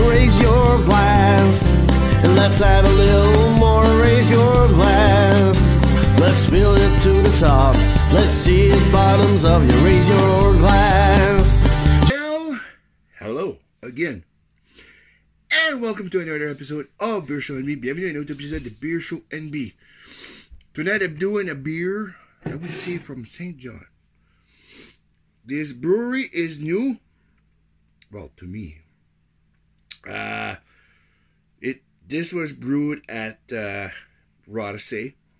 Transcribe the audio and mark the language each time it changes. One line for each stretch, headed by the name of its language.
English: Raise your glass, and let's add a little more. Raise your glass, let's fill it to the top. Let's see it bottoms up. You raise your glass. Well, hello again. And welcome to another episode of Beer Show NB.
French: Bienvenue à un autre épisode de Beer Show NB.
English: Tonight I'm doing a beer, I would say, from St. John. This brewery is new. Well, to me. This was brewed at Rodesay.